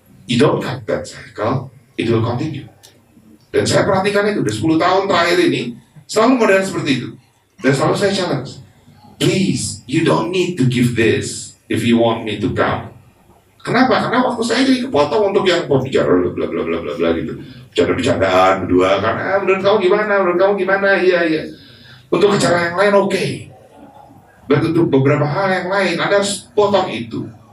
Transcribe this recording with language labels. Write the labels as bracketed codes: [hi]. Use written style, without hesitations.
[en] You don't cut that cycle, it will continue. [id] Dan saya perhatikan itu, udah 10 tahun terakhir ini, selalu modern seperti itu. Dan selalu saya challenge. [en] Please, you don't need to give this if you want me to come. [id] Kenapa? Karena waktu saya jadi kepotong untuk yang berbicara bla bla bla bla bla gitu. Bercanda-bercandaan berdua kan, ah, menurut kamu gimana? Menurut kamu gimana? Iya, iya. Untuk acara yang lain okay. Tapi untuk beberapa hal yang lain ada potong itu.